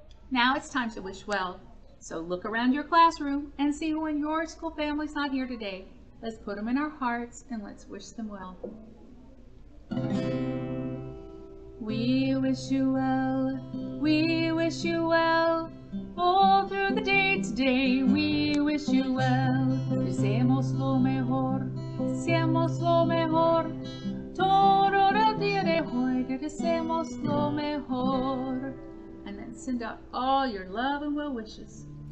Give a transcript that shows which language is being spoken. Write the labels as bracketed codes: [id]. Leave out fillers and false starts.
[en] Now it's time to wish well. So look around your classroom and see who in your school family's not here today. Let's put them in our hearts and let's wish them well. We wish you well, we wish you well. All through the day today, we wish you well. [es] Deseamos lo mejor, deseamos lo mejor. Todo el día de hoy, deseamos lo mejor. [en] And then send out all your love and well wishes.